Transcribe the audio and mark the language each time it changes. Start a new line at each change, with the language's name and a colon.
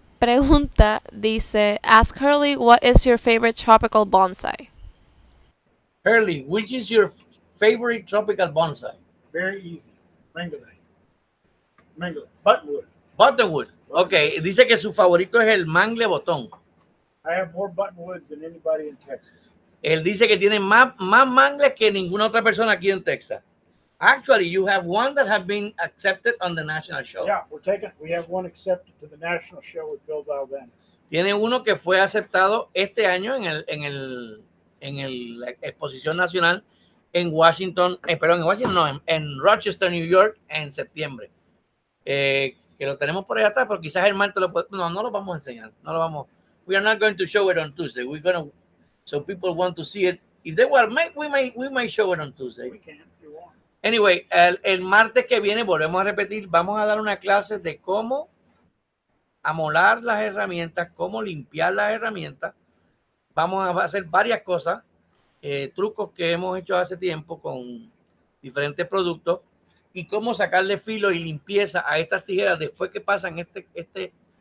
Spanish: Pregunta dice,
English: ask Hurley, what is your favorite tropical bonsai? Hurley, which is your favorite tropical bonsai? Very easy. Mangle. Buttonwood. Buttonwood.
Spanish: Okay, dice que su favorito es el mangle botón.
English: I have more buttonwoods than anybody in Texas.
Spanish: Él dice que tiene más mangles que ninguna otra persona aquí en Texas.
English: Actually, you have one that has been accepted on the national show. Yeah, we have one accepted to the national show with Bill Valdez.
Spanish: Tiene uno que fue aceptado este año en el la exposición nacional en Washington, en Rochester, New York, en septiembre. Que lo tenemos por allá atrás, pero quizás el martes lo puede. No lo vamos a enseñar. No lo vamos.
English: We are not going to show it on Tuesday. So people want to see it. If they were, we may show it on Tuesday. We can.
Spanish: Anyway, el martes que viene, volvemos a repetir, vamos a dar una clase de cómo amolar las herramientas, cómo limpiar las herramientas. Vamos a hacer varias cosas, trucos que hemos hecho hace tiempo con diferentes productos y cómo sacarle filo y limpieza a estas tijeras después que pasan este.